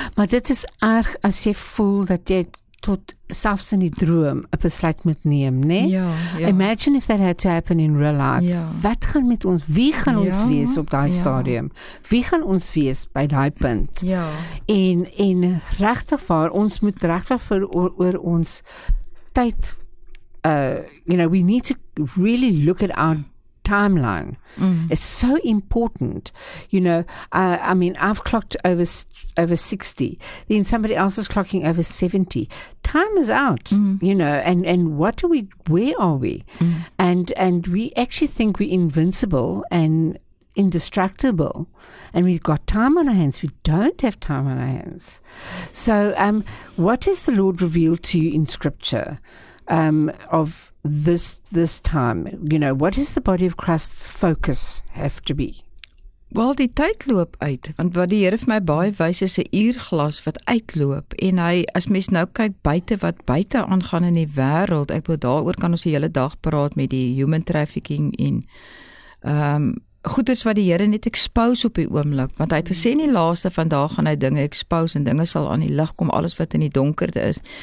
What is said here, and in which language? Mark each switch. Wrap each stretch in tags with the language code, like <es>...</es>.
<af>Maar dit is erg as jy voel dat jy tot selfs in die droom 'n besluit moet neem, nee? Ja.</af> <en>Imagine if that had to happen in real life.</en> <af>Ja. Wat gaan met ons, wie gaan ons wees op daai stadium? Wie gaan ons wees by daai punt? Ja. En regtig waar, ons moet regtig vir oor ons tyd</af> <en>we need to really look at our timeline. It's so important. You know, I've clocked over 60. Then somebody else is clocking over 70. Time is out, you know, and what are we, where are we? And we actually think we're invincible and indestructible. And we've got time on our hands. We don't have time on our hands. So what has the Lord revealed to you in Scripture? Of this time, you know, what is the body of Christ's focus have to be?</en> <af>Well, die tyd loop uit, want wat die Here vir my baie wys is 'n uurglas wat uitloop, en hy, as mens nou kyk buite wat buite aangaan in die wêreld, ek wil daaroor kan ons die hele dag praat met die human trafficking en goeders wat die Here net expose op die oomblik, want hy het gesê in die laaste van dae gaan hy dinge expose en dinge sal aan die lig kom, alles wat in die donkerte is.</af>